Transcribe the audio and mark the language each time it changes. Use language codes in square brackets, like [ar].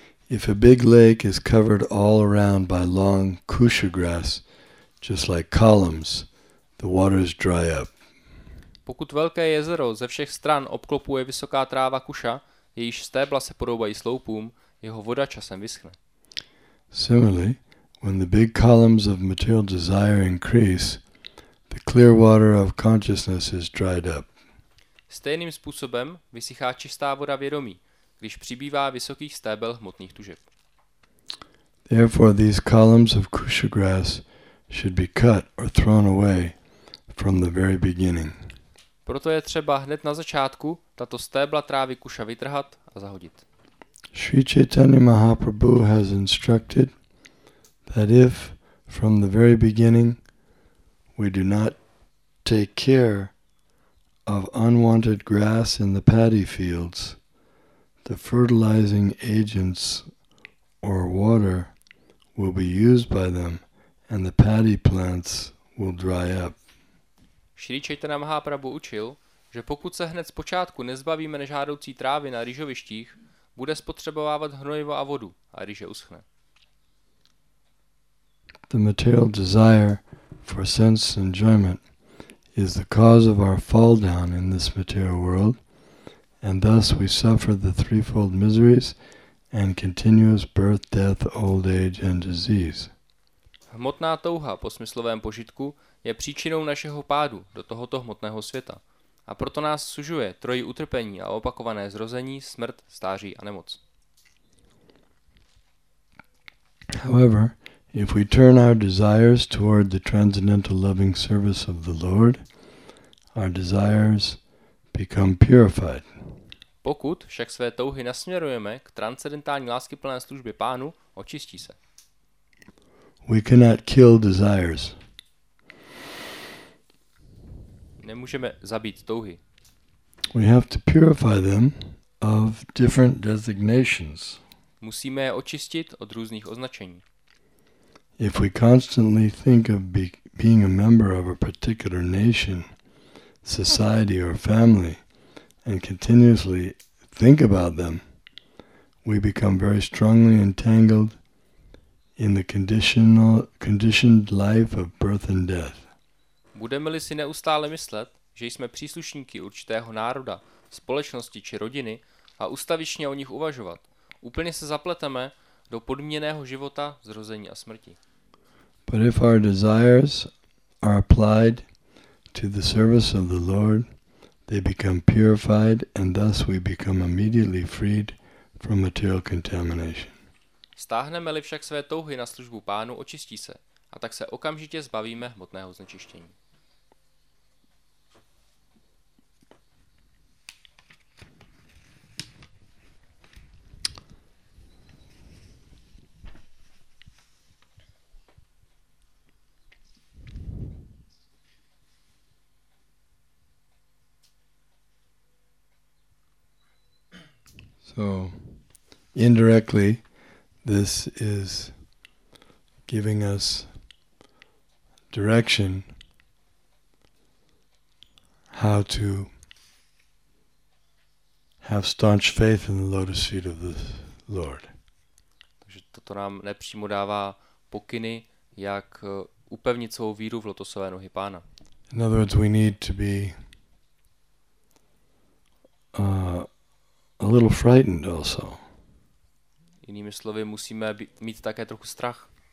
[en] If a big lake is covered all around by long kusha grass, just like columns, the waters dry up. [cs] Pokud velké jezero ze všech stran obklopuje vysoká tráva kuša, jejíž stébla se podobají sloupům, jeho voda časem vyschne. [en] Similarly, when the big columns of material desire increase, the clear water of consciousness is dried up. [cs] Stejným způsobem vysychá čistá voda vědomí, když přibývá vysokých stébel hmotných tužeb. [en] Therefore these columns of kusha grass should be cut or thrown away from the very beginning. [cs] Proto je třeba hned na začátku tato stébla trávy kuša vytrhat a zahodit. [en] Sri Chaitanya Mahaprabhu has instructed that if from the very beginning we do not take care of unwanted grass in the paddy fields, the fertilizing agents or water will be used by them and the paddy plants will dry up. [cs] Sri Chaitanya Mahaprabhu učil, že pokud se hned z počátku nezbavíme nežádoucí trávy na ryžovištích, bude spotřebovávat hnojivo a vodu a ryže uschne. [en] The material desire for sense enjoyment is the cause of our fall down in this material world, and thus we suffer the threefold miseries and continuous birth, death, old age and disease. [cs] Hmotná touha po smyslovém požitku je příčinou našeho pádu do tohoto hmotného světa a proto nás sužuje trojí utrpení a opakované zrození, smrt, stáří a nemoc. [en] However, if we turn our desires toward the transcendental loving service of the Lord, our desires become purified. [cs] Pokud však své touhy nasměrujeme k transcendentální láskyplné službě Pánu, očistí se. [en] We cannot kill desires. [cs] Nemůžeme zabít touhy. [en] We have to purify them of different designations. [cs] Musíme je očistit od různých označení. [en] If we constantly think of being a member of a particular nation, society or family and continuously think about them, we become very strongly entangled in the conditioned life of birth and death. [cs] Budeme-li si neustále myslet, že jsme příslušníky určitého národa, společnosti či rodiny, a ustavičně o nich uvažovat. Úplně se zapleteme do podmíněného života, zrození a smrti. [en] But if our desires are applied to the service of the Lord, they become purified and thus we become immediately freed from material contamination. [cs] Stáhneme-li však své touhy na službu Pánu, očistí se a tak se okamžitě zbavíme hmotného znečištění. [en] So indirectly, this is giving us direction how to have staunch faith in the lotus feet of the Lord. [cs] Takže toto nám nepřímo dává pokyny, jak upevnit svou víru v lotosové nohy Pána. [en] In other words, we need to be a little frightened also. [cs] Jinými slovy, musíme mít také trochu strach.